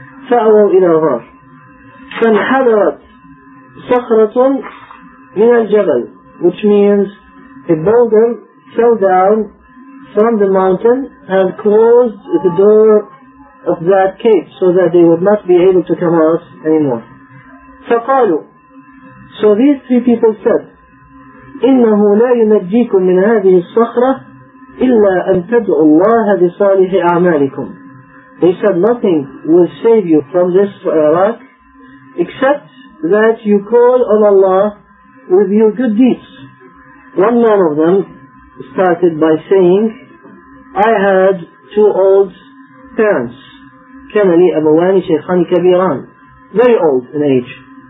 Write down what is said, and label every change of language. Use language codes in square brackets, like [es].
[ar] فَأَوَوْا إِلَى الْغَارِ فَانْحَذَرَتْ صَخْرَةٌ مِنَ الْجَبَلِ, [en] which means a boulder fell down from the mountain and closed the door of that cave so that they would not be able to come out anymore. [ar] فَقَالُوا, [en] so these three people said, [ar] إِنَّهُ لَا يُنَجِّيكُمْ مِنْ هَذِهِ الصَّخْرَةِ إِلَّا أَن تَدْعُوا اللَّهَ بِصَالِحِ أَعْمَالِكُمْ. [en] They said, nothing will save you from this rock except that you call on Allah with your good deeds. One man of them started by saying, I had two old parents, [ar] كان لي أبواني شيخان كبيران, [en] very old in age.